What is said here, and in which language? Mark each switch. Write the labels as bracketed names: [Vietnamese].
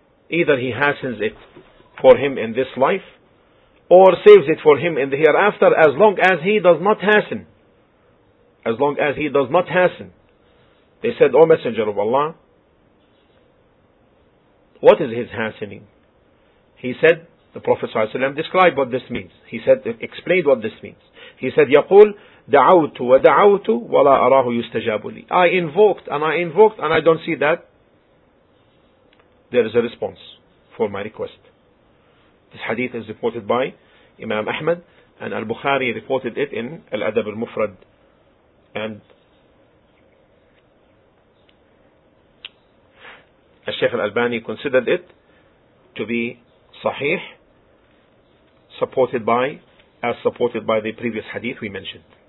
[English] Either he hastens it for him in this life or saves it for him in the hereafter, as long as he does not hasten. As long as he does not hasten. They said, O Messenger of Allah, what is his hastening? He said, the Prophet ﷺ described what this means. He said, explained what this means. He said, [Arabic] يقول دعوت ودعوت ولا أراه يستجاب لي. [English] I invoked and I invoked and I don't see that there is a response for my request. This hadith is reported by Imam Ahmad, and Al-Bukhari reported it in Al-Adab Al-Mufrad and Al-Shaykh Al-Albani considered it to be sahih, supported by the previous hadith we mentioned.